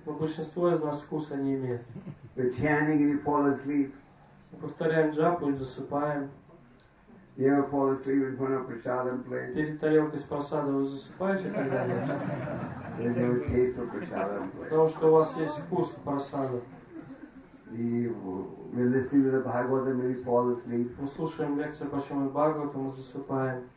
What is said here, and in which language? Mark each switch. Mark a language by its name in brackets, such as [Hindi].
[Russian] Большинство из нас вкуса не имеет. [English] We're chanting and we fall asleep. [Russian] Мы повторяем джапу и засыпаем. [English] You ever fall asleep in front of prasadam plate? [Russian] Перед тарелкой с прасадом вы засыпаете когда-нибудь? [English] There's no taste for prasadam plate. [Russian] Потому что у вас есть вкус прасада. [English] We're listening to the Bhagavatam and we fall asleep. [Russian] Мы слушаем лекцию по Шримад-Бхагаватам и засыпаем.